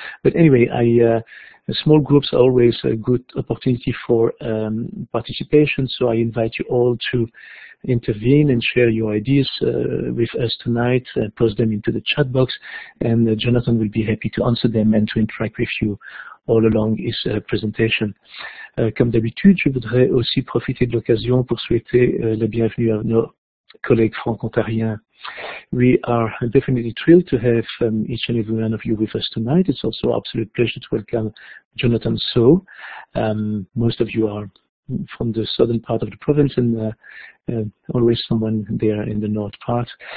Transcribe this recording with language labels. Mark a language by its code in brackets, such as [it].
[en] But anyway, small groups are always a good opportunity for participation, so I invite you all to intervene and share your ideas with us tonight, post them into the chat box, and Jonathan will be happy to answer them and to interact with you all along his presentation. [fr] Comme d'habitude, je voudrais aussi profiter de l'occasion pour souhaiter la bienvenue à nos collègues franc-ontariens. [en] We are definitely thrilled to have each and every one of you with us tonight. It's also an absolute pleasure to welcome Jonathan So. Most of you are from the southern part of the province and always someone there in the north part.